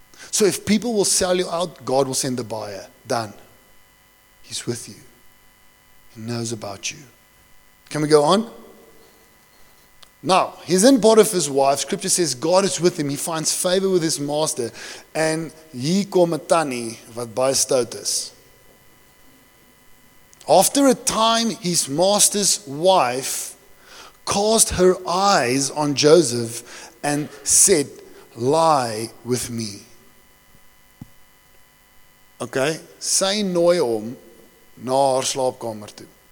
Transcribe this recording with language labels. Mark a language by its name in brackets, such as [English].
[English] So if people will sell you out, God will send the buyer. Done. He's with you. He knows about you. Can we go on? Now, he's in Potiphar's wife. Scripture says God is with him. He finds favor with his master. [Afrikaans] And hy kom 'n tannie wat baie stout is. [English] After a time, his master's wife cast her eyes on Joseph and said, "Lie with me." [Afrikaans] Okay? Sy nooi hom na haar slaapkamer toe.